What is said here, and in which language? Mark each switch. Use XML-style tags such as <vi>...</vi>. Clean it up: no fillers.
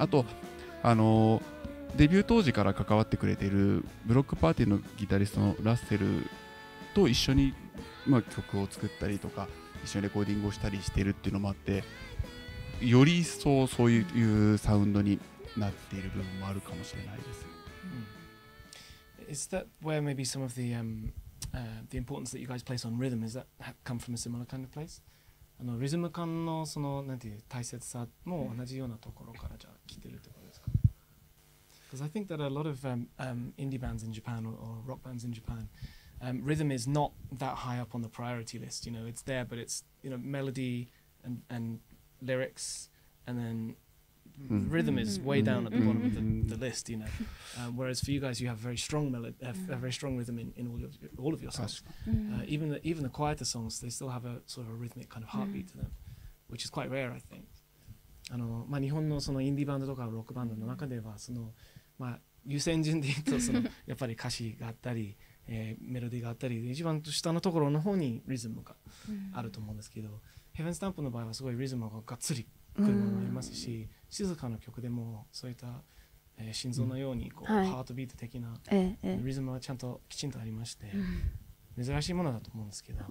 <ja>あとデビュー当時から関わってくれているブロックパーティーのギタリストのラッセルと一緒に、まあ、曲を作ったりとか一緒にレコーディングをしたりしているっていうのもあって、より一層そういうサウンドになっている部分もあるかもしれないです、</ja> <en>うん、Is that where maybe some of the importance that you guys place on rhythm, is that come from a similar kind of place?</en> <ja>リズム感のそのなんていう大切さも同じようなところからじゃ来てるってことですか。</ja> <en>Because I think that a lot of indie bands in Japan or rock bands in Japan, rhythm is not that high up on the priority list. You know, it's there, but it's, you know, melody and lyrics, and then rhythm is way down at the bottom of the list, you know. Whereas for you guys, you have very strong a very strong rhythm in all of your songs. Even the quieter songs, they still have a sort of a rhythmic kind of heartbeat to them, which is quite rare, I think.</en> <ja>あのまあ、日本 の, そのインディーバンドとかロックバンドの中ではその、まあ、優先順で言うとそのやっぱり歌詞があったり、メロディーがあったり一番下のところの方にリズムがあると思うんですけど、うん、ヘブンスタンプの場合はすごいリズムががっつりくるものがありますし、うん、静かな曲でもそういった、心臓のようにこう、うん、ハートビート的なリズムはちゃんときちんとありまして、うん、珍しいものだと思うんですけど、</ja>